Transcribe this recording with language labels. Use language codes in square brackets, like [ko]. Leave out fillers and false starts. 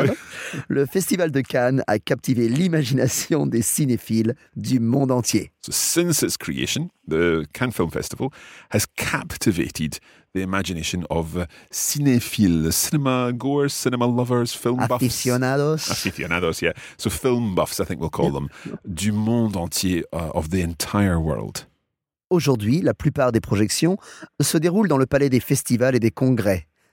[fr] Regard, le Festival de Cannes a captivé l'imagination des cinéphiles du monde entier. [en] So since its creation, the Cannes Film Festival has captivated the imagination of cinéphiles, cinema goers, cinema lovers, film buffs. Aficionados, yeah. So film buffs, I think we'll call yeah. them. Yeah. [fr] Du monde entier, [en] of the entire world. [fr] Aujourd'hui, la plupart des projections se déroulent dans le palais des festivals et des congrès.